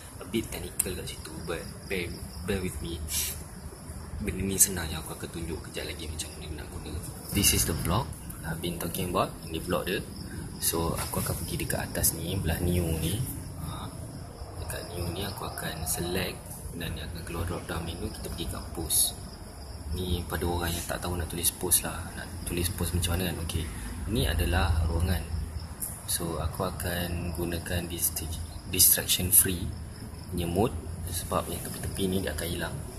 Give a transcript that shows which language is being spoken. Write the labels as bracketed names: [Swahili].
[English] A bit technical [Malay] kat situ, [English] but bear with me. [Malay] Benda ni senang yang aku akan tunjuk kejap lagi macam mana nak guna. [English] This is the blog I've been talking about. [Malay] Ini blog dia. So aku akan pergi dekat atas ni, belah new ni. Dekat new ni aku akan select dan akan keluar drop down menu. Kita pergi ke post. Ni pada orang yang tak tahu nak tulis post lah, nak tulis post macam mana kan. Okay, ni adalah ruangan. So aku akan gunakan distraction free punya mode, sebab yang tepi-tepi ni dia akan hilang.